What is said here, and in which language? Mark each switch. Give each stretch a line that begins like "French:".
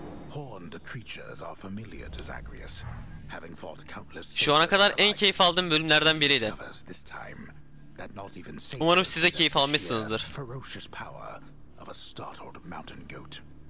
English: Horned creatures are familiar to Zagreus. Having fought countless.
Turkish: Şu ana kadar en keyif aldığım bölümlerden biriydi. Umarım size keyif almışsınızdır.
English: Ferocious power of a startled mountain goat.